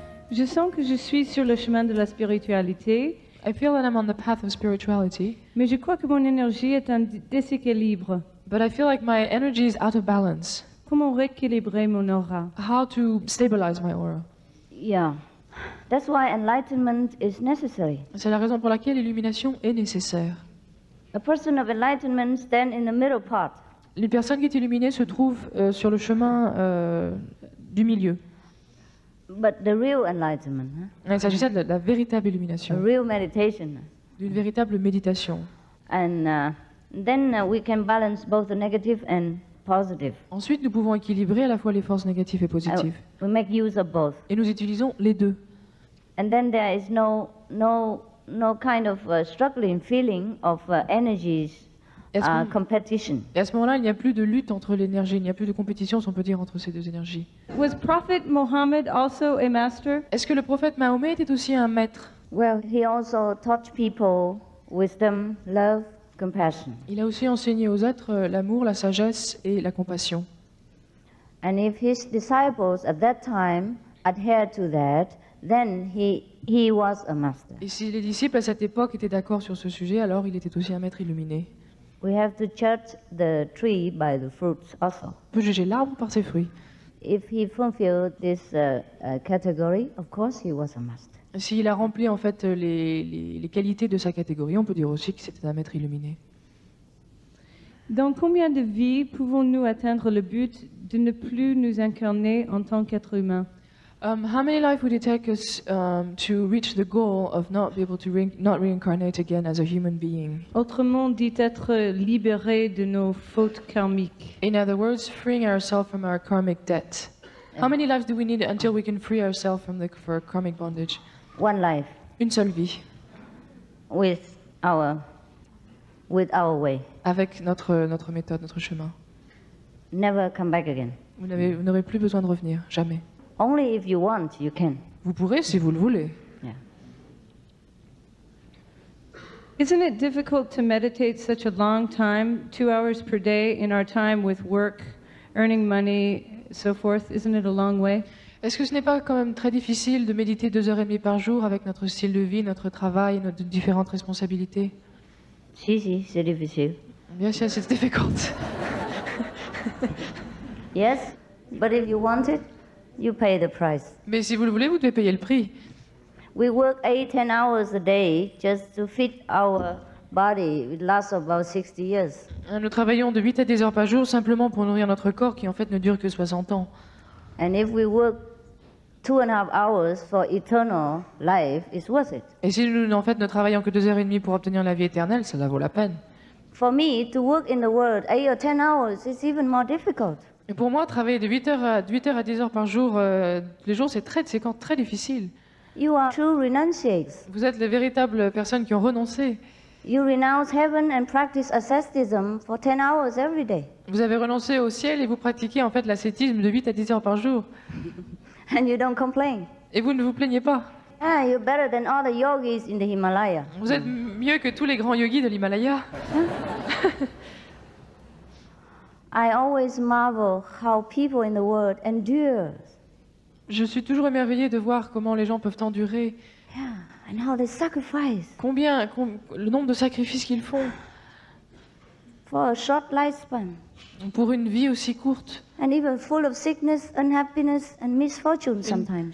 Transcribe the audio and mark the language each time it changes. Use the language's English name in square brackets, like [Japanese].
[French] Je sens que je suis sur le chemin de la spiritualité. [English] I feel that I'm on the path of spirituality. [French] Mais je crois que mon énergie est en déséquilibre. [English] But I feel like my energy is out of balance. [French] Comment rééquilibrer mon aura? [English] How to stabilize my aura? Yeah. That's why enlightenment is necessary. [French] C'est la raison pour laquelle l'illumination est nécessaire. [English] A person of enlightenment stands in the middle part. [French] Une personne qui est illuminée se trouve sur le chemin du milieu. [English] But the real enlightenment. [French] Il s'agissait de la véritable illumination. [English] A real meditation. [French] D'une véritable méditation. [English] And then we can balance both the negative and positive. [French] Ensuite, nous pouvons équilibrer à la fois les forces négatives et positives. [English] We make use of both. [French] Et nous utilisons les deux. [English] And then there is no kind of struggling feeling of energies. [French] Et à ce moment-là, il n'y a plus de lutte entre l'énergie, il n'y a plus de compétition, si on peut dire, entre ces deux énergies. [English] Was Prophet Muhammad also a master? [French] Est-ce que le prophète Mahomet était aussi un maître? [English] Well, he also taught people wisdom, love, compassion. [French] Il a aussi enseigné aux êtres l'amour, la sagesse et la compassion. [English] And if his disciples at that time adhered to that, then he was a master. [French] Et si les disciples à cette époque étaient d'accord sur ce sujet, alors il était aussi un maître illuminé. [English] We have to judge the tree by the fruits also. [French] On peut juger l'arbre par ses fruits. [English] If he fulfilled this category, of course he was a master. [French] S'il a rempli en fait les qualités de sa catégorie, on peut dire aussi que c'était un maître illuminé. Dans combien de vies pouvons-nous atteindre le but de ne plus nous incarner en tant qu'être humain? [English] How many lives would it take us to reach the goal of not be able to not reincarnate again as a human being? [French] Autrement dit, être libéré de nos fautes karmiques. [English] In other words, freeing ourselves from our karmic debt. How many lives do we need until we can free ourselves from for karmic bondage? One life. [French] Une seule vie. [English] With our way. [French] Avec notre méthode, notre chemin. [English] Never come back again. [French] Vous n'aurez plus besoin de revenir, jamais. [English] Only if you want, you can. [French] Vous pourrez si vous le voulez. [English] Yeah. Isn't it difficult to meditate such a long time, 2 hours per day, in our time with work, earning money, so forth? Isn't it a long way? [French] Est-ce que ce n'est pas quand même très difficile de méditer 2 heures et demie par jour avec notre style de vie, notre travail, nos différentes responsabilités? Si, si, c'est difficile. Bien sûr, c'est difficult. [English] Yes, but if you want it. You pay the price. [French] Mais si vous le voulez, vous devez payer le prix. [English] We work 8-10 hours a day just to fit our body. It lasts about 60 years. [French] Nous travaillons de 8 à 10 heures par jour simplement pour nourrir notre corps qui en fait ne dure que 60 ans. [English] And if we work 2.5 hours for eternal life, it's worth it. [French] Et si nous en fait ne travaillons que 2 heures et demie pour obtenir la vie éternelle, ça vaut la peine. [English] For me to work in the world 8 or 10 hours is even more difficult. [French] Et pour moi, travailler de 8 heures à 10 heures par jour, les jours, c'est très difficile. [English] You are true renunciates. [French] Vous êtes les véritables personnes qui ont renoncé. [English] You renounce heaven and practice asceticism for 10 hours every day. [French] Vous avez renoncé au ciel et vous pratiquez en fait l'ascétisme de 8 à 10 heures par jour. [English] And you don't complain. [French] Et vous ne vous plaignez pas. [English] Ah, you're better than all the yogis in the Himalaya. [French] Vous êtes mieux que tous les grands yogis de l'Himalaya. [English] I always marvel how people in the world endure. [French] Je suis toujours émerveillée de voir comment les gens peuvent endurer. [English] Yeah, and how they sacrifice. [French] Le nombre de sacrifices qu'ils font. [English] For a short lifespan. [French] Pour une vie aussi courte. [English] And even full of sickness, unhappiness, and misfortune sometimes.